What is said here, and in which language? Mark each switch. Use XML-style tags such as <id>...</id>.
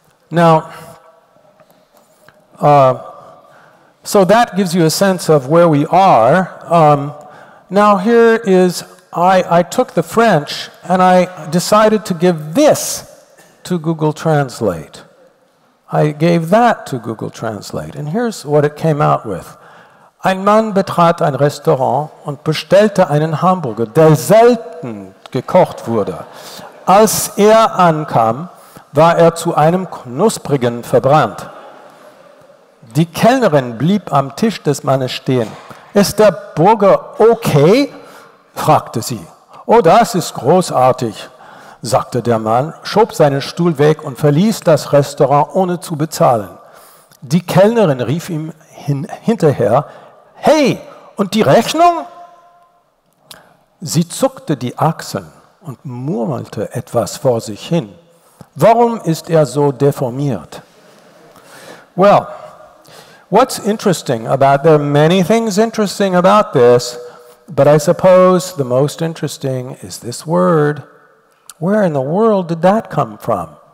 <en>Now, so that gives you a sense of where we are. Now here is, I took the French and I decided to give this to Google Translate. I gave that to Google Translate, and here's what it came out with.</en> <de>Ein Mann betrat ein Restaurant und bestellte einen Hamburger, der selten gekocht wurde. Als ankam, war zu einem knusprigen verbrannt. Die Kellnerin blieb am Tisch des Mannes stehen. Ist der Burger okay? Fragte sie. Oh, das ist großartig, sagte der Mann, schob seinen Stuhl weg und verließ das Restaurant ohne zu bezahlen. Die Kellnerin rief ihm hinterher, hey, und die Rechnung? Sie zuckte die Achseln und murmelte etwas vor sich hin. Warum ist so deformiert?</de> <en>Well, what's interesting about, there are many things interesting about this, but I suppose the most interesting is this word. Where in the world did that come from?</en>